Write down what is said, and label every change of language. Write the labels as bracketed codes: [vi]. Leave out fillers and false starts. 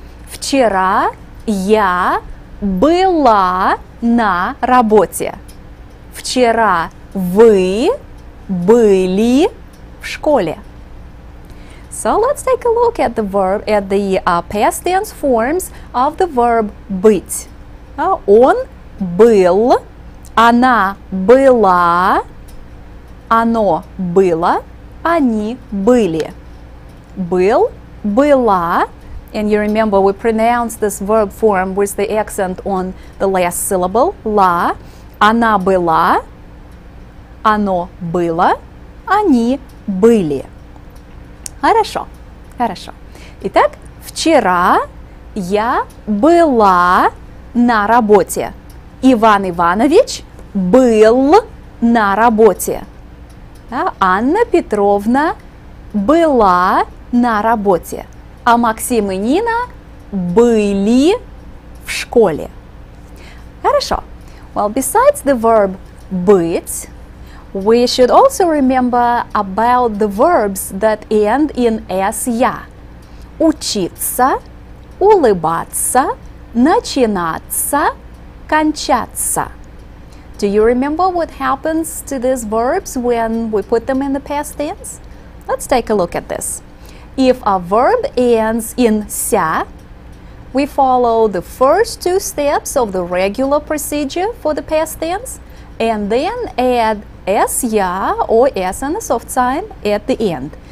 [ru] Вчера я была на работе. Вчера вы были в школе. [en] So let's take a look at the verb, at the past tense forms of the verb быть. [ru] Он был, она была, оно было, они были. был, была. [en] And you remember we pronounce this verb form with the accent on the last syllable, la. [ru] Она была, оно было, они были. Хорошо, хорошо. Итак, вчера я была на работе. Иван Иванович был на работе. Да? Анна Петровна была на работе. А Максим и Нина были в школе. Хорошо. [en] Well, besides the verb быть, we should also remember about the verbs that end in -ся. [ru] Учиться, улыбаться, начинаться, кончаться. [en] Do you remember what happens to these verbs when we put them in the past tense? Let's take a look at this. If a verb ends in -ся, we follow the first two steps of the regular procedure for the past tense and then add -ся or -с and the soft sign at the end.